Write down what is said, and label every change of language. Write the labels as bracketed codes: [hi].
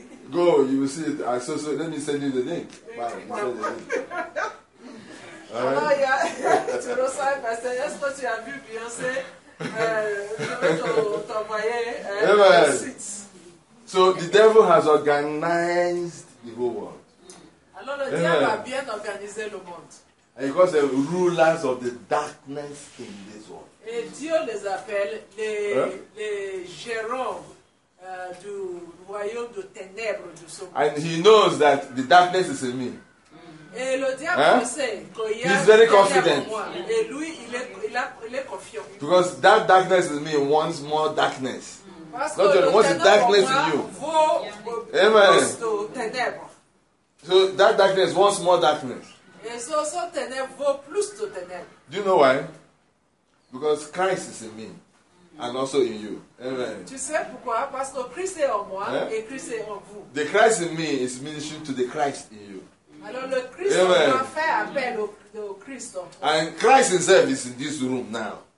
[en] Go, you will see it. So let me send you the link. Wow, you send the link. All right. Oh, yeah. [fr] Tu reçois un message. Est-ce que tu as vu Beyoncé? Je vais t'envoyer un site. [en] So the devil has organized the whole world. [fr] Alors le diable a bien organisé le monde. [en] And he calls the rulers of the darkness in this world. [fr] Et Dieu les appelle les gérants. Du royaume de ténèbres de ce monde. [en] And he knows that the darkness is in me. [fr] Et le diable sait que [en] he's very confident. [fr] Et lui, il est confiant. [en] Because that darkness in me wants more darkness. [fr] Parce que [en] what's the darkness in you? Amen. So that darkness wants more darkness. [fr] Et ce ténèbre vaut plus de ténèbres. [en] Do you know why? Because Christ is in me. And also in you. Amen. [fr] Tu sais pourquoi? Parce que Christ est en moi et Christ est en vous. [en] The Christ in me is ministering to the Christ in you. [fr] Alors le Christ en moi fait appel au Christ en toi. [en] And Christ himself is in this room now.